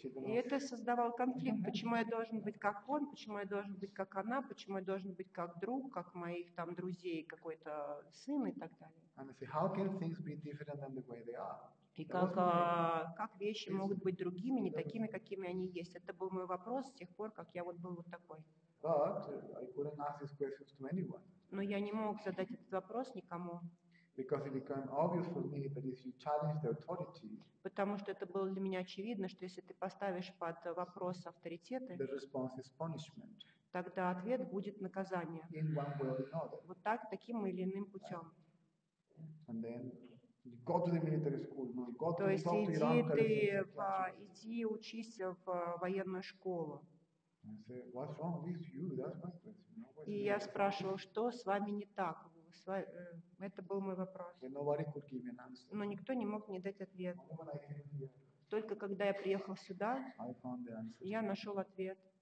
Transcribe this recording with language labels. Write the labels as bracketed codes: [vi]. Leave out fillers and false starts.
[ru] И это создавал конфликт. Почему я должен быть как он? Почему я должен быть как она? Почему я должен быть как друг, как моих там друзей, какой-то сын и так далее? [en] And I say, how can things be different than the way they are? [ru] И как вещи могут быть другими, не такими, какими они есть? Это был мой вопрос с тех пор, как я вот был вот такой. [en] But I couldn't ask these questions to anyone. [ru] Но я не мог задать этот вопрос никому. [en] Because it became obvious for me that if you challenge the authority, [ru] потому что это было для меня очевидно, что если ты поставишь под вопрос авторитеты, [en] the response is punishment. [ru] Тогда ответ будет наказание. [en] In one way or another. [ru] Вот так, таким или иным путем. [en] And then you go to the military school. No, go [ru] то [en] to [ru] есть [en] talk [ru] иди [en] to Iran, [ru] ты иди учись в военную школу. [en] I say, what's wrong with you? That's my question. [ru] No, и я спрашивал, что с вами не так? Это был мой вопрос. Но никто не мог мне дать ответ. Только когда я приехал сюда, я нашел ответ.